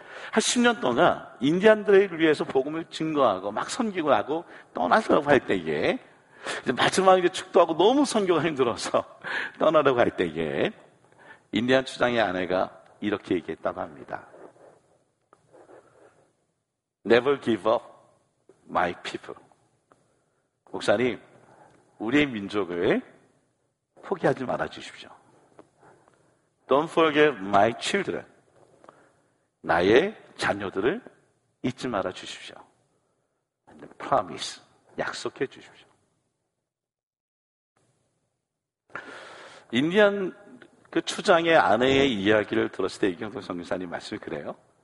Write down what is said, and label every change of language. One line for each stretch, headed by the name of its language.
Korean: 한 10년 동안 인디안들을 위해서 복음을 증거하고 막 섬기고 하고 떠나려고 할 때에 이제 마지막 이제 축도하고 너무 선교가 힘들어서 떠나려고 할 때에 인디안 추장의 아내가 이렇게 얘기했다고 합니다.
English: Never give up my people.
Korean: 목사님, 우리의 민족을 포기하지 말아주십시오.
English: Don't forget my children.
Korean: 나의 자녀들을 잊지 말아주십시오.
English: And promise,
Korean: 약속해 주십시오. 인디안 그 추장의 아내의 이야기를 들었을 때 이경동 선교사님 말씀이 그래요.